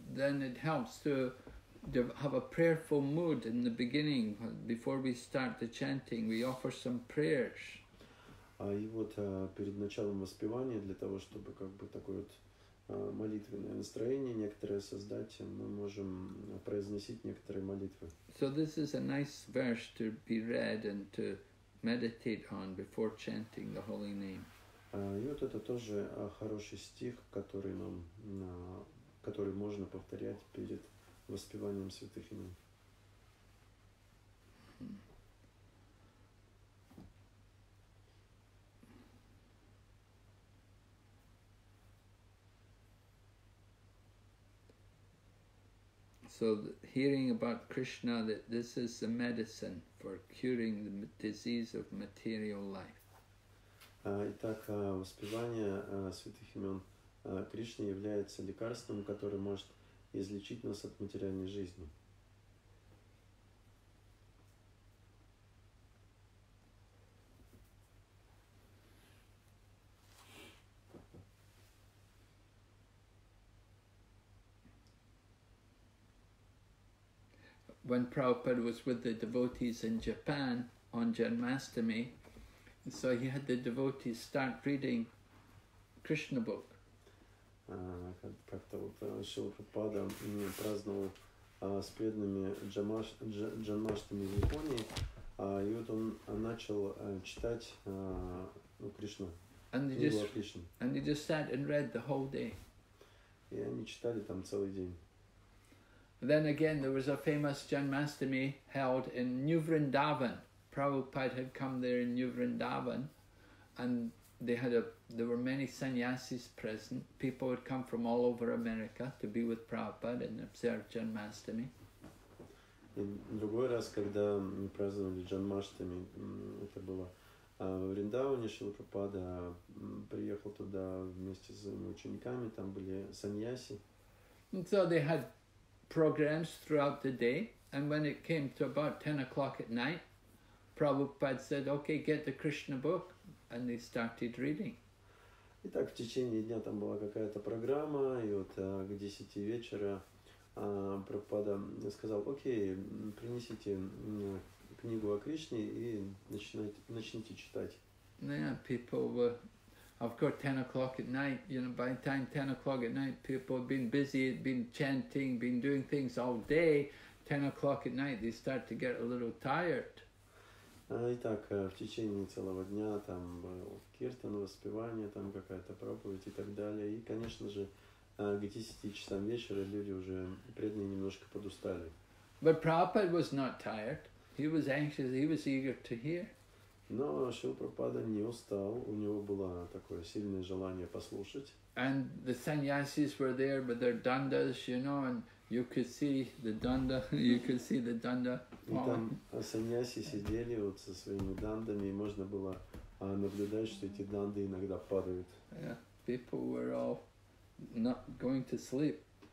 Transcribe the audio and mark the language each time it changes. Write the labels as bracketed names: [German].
[English] then it helps to have a prayerful mood in the beginning, before we start the chanting, we offer some prayers. [Russian] И вот перед началом воспевания, для того, чтобы как бы такое вот молитвенное настроение некоторое создать, мы можем произносить некоторые молитвы. [English] So this is a nice verse to be read and to meditate on before chanting the holy name. [Russian] И вот это тоже хороший стих, который нам, который можно повторять перед воспеванием святых имен. [English] So hearing about Krishna, that this is the medicine for curing the disease of material life. [Russian] Итак, воспевание святых имен Кришны является лекарством, которое может излечить нас от материальной жизни. [English] When Prabhupada was with the devotees in Japan on Janmashtami, so he had the devotees start reading Krishna book. [Russian] Как-то вот Шрила Прабхупада праздновал с преданными Джанмаштами в Японии, и вот он начал читать Кришну, книгу о Кришне. [English] And he just sat and read the whole day. [Russian] И они читали там целый день. [English] Then again, there was a famous Janmashtami held in New Vrindavan. Prabhupada had come there in New Vrindavan, and there were many sannyasis present. People had come from all over America to be with Prabhupada and observe Janmashtami. In [Russian] другой раз, когда мы праздновали Джанмаштами, это было в Вриндаване, Шрила Прабхупада приехал туда вместе с учениками, там были саньяси. [English] And so they had programs throughout the day, and when it came to about 10 o'clock at night, Prabhupada said, okay, get the Krishna book. And they started reading. [Russian] И так в течение дня там была какая-то программа, и вот к 10 вечера Прабхупада сказал, окей, принесите книгу о Кришне и начните читать. [English] Yeah, people were, of course, 10 o'clock at night, you know, by the time 10 o'clock at night, people have been busy, been chanting, been doing things all day, 10 o'clock at night, they start to get a little tired. [Russian] Итак, в течение целого дня там был киртан, воспевание, там какая-то проповедь и так далее. И, конечно же, к 10 часам вечера люди уже преданные немножко подустали. [English] But Prabhupada was not tired. He was anxious, he was eager to hear. [Russian] Но Шрила Прабхупада не устал, у него было такое сильное желание послушать. [English] And the sannyasis were there with their dandas, you know, and You could see the danda. [Russian] И там саньяси сидели вот со своими дандами, и можно было наблюдать, что эти данды иногда падают. [English] Yeah, people were all not going to sleep.